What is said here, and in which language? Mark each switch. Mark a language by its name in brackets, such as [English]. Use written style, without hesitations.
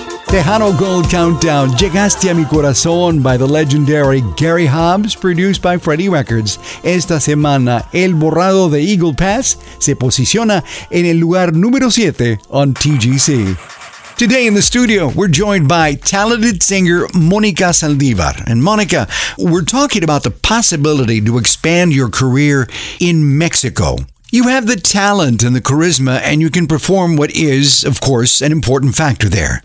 [English] Tejano Gold Countdown, Llegaste a mi Corazón by the legendary Gary Hobbs, produced by Freddie Records. [Spanish] Esta semana, El Borrado de Eagle Pass se posiciona en el lugar número 7 on TGC. [English] Today in the studio, we're joined by talented singer Monica Saldívar. And Monica, we're talking about the possibility to expand your career in Mexico. You have the talent and the charisma, and you can perform what is, of course, an important factor there.